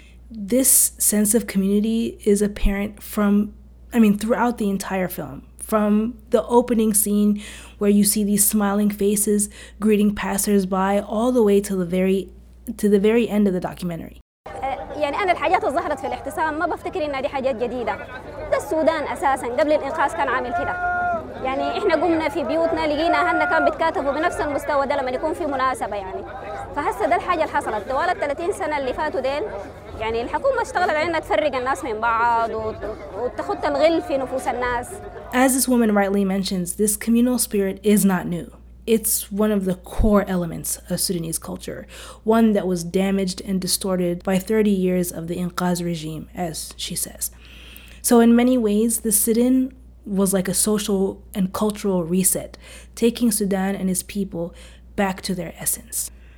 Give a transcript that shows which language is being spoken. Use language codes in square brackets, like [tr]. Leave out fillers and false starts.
[en] This sense of community is apparent throughout the entire film. From the opening scene where you see these smiling faces greeting passersby all the way to the very end of the documentary. [ar] يعني انا الحاجات اللي ظهرت في الاحتسام ما بفتكر انها دي حاجات جديده. ده السودان اساسا قبل الانقاذ كان عامل كده. يعني احنا قمنا في بيوتنا لقينا اهلنا كان بيتكاتفوا بنفس المستوى ده لما يكون في مناسبه يعني. فهسه ده الحاجه اللي حصلت طوال ال 30 سنه اللي فاتوا ديل. يعني الحكومه اشتغلت على انها تفرق الناس من بعض وتخط الغل في نفوس الناس. [en] As this woman rightly mentions, this communal spirit is not new. It's one of the core elements of Sudanese culture, one that was damaged and distorted by 30 years of the Inqaz regime, as she says. So in many ways, the sit-in was like a social and cultural reset, taking Sudan and its people back to their essence.